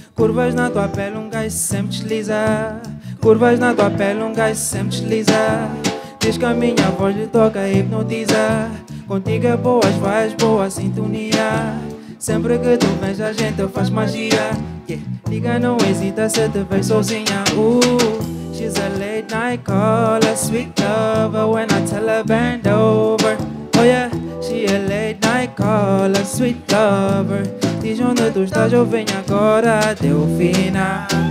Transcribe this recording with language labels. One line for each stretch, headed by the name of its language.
Portuguese: Curvas na tua pele, um gajo sempre desliza. Curvas na tua pele, um gajo sempre desliza. Diz que a minha voz lhe toca e hipnotiza. Contigo é boas, faz boa sintonia. Sempre que tu vês a gente faz magia. Liga, não hesita se te vejo sozinha.
English: She's a late night caller, sweet lover, when I tell her bend over. Oh yeah, she a late night caller, sweet lover.
Portuguese: Diz onde tu estás, eu venho agora, Delfina.